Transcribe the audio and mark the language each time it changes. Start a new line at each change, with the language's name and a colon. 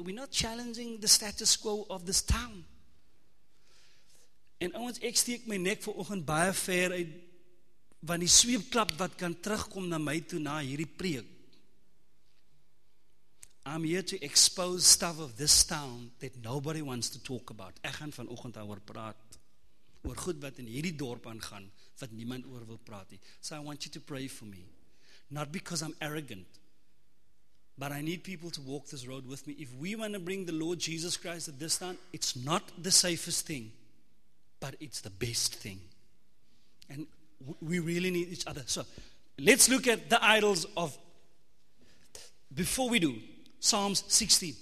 English: We're not challenging the status quo of this town.
Afrikaans: En ouwens, ek steek my nek vir oogend baie ver uit, van die sweepklap wat kan terugkom na my toe na hierdie preek.
English: I'm here to expose stuff of this town that nobody wants to talk about.
Afrikaans: Ek gaan vanoggend daaroor praat. Oor goed wat in hierdie dorp aangaan, wat niemand oor wil praat nie.
English: So I want you to pray for me. Not because I'm arrogant, but I need people to walk this road with me. If we want to bring the Lord Jesus Christ to this town, it's not the safest thing, but it's the best thing. And we really need each other. So let's look at the idols of, before we do, Psalms 16.